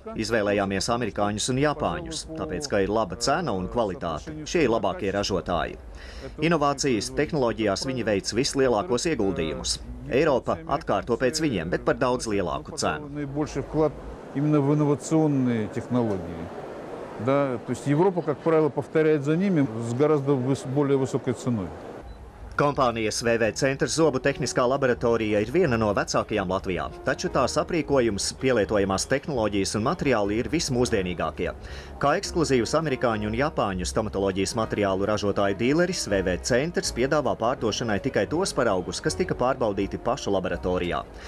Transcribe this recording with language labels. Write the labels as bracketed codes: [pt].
[lv] Izvēlējāmies amerikāņus un japāņus, tāpēc, ka ir laba cena un kvalitāte. Šie ir labākie ražotāji. Inovācijas tehnoloģijās viņi veic vislielākos ieguldījumus. Eiropa atkārto pēc viņiem, bet par daudz lielāku cenu. [ru] Да, то есть Европа, как правило, повторяет за ними с гораздо более высокой ценой. [lv] Kompānijas VV Centrs zobu tehniskā laboratorija ir viena no vecākajām Latvijā, taču tās aprīkojums, pielietojamās tehnoloģijas un materiāli ir vismūsdienīgākie. Kā ekskluzīvs amerikāņu un japāņu stomatoloģijas materiālu ražotāju dīleris, VV Centrs piedāvā pārdošanai tikai tos paraugus, kas tika pārbaudīti pašu laboratorijā.